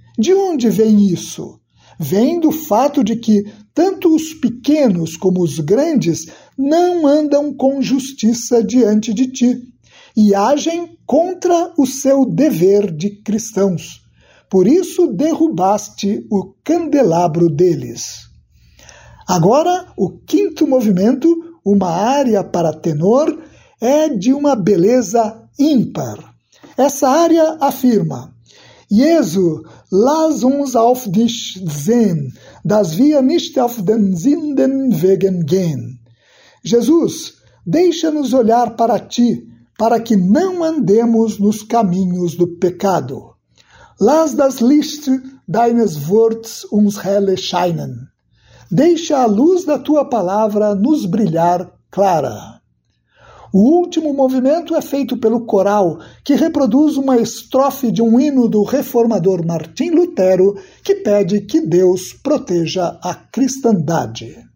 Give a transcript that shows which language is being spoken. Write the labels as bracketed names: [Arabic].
[Portuguese] De onde vem isso? Vem do fato de que tanto os pequenos como os grandes não andam com justiça diante de ti e agem contra o seu dever de cristãos. Por isso derrubaste o candelabro deles. Agora, o quinto movimento, uma área para tenor, é de uma beleza ímpar. Essa área afirma: [German] Jesu, lass uns auf dich sehen, dass wir nicht auf den sinnenden Wegen gehen. [Portuguese] Jesus, deixa-nos olhar para ti, para que não andemos nos caminhos do pecado. [German] Lass das Licht deines Worts uns helle scheinen. [Portuguese] Deixa a luz da tua palavra nos brilhar clara. O último movimento é feito pelo coral, que reproduz uma estrofe de um hino do reformador Martim Lutero, que pede que Deus proteja a cristandade.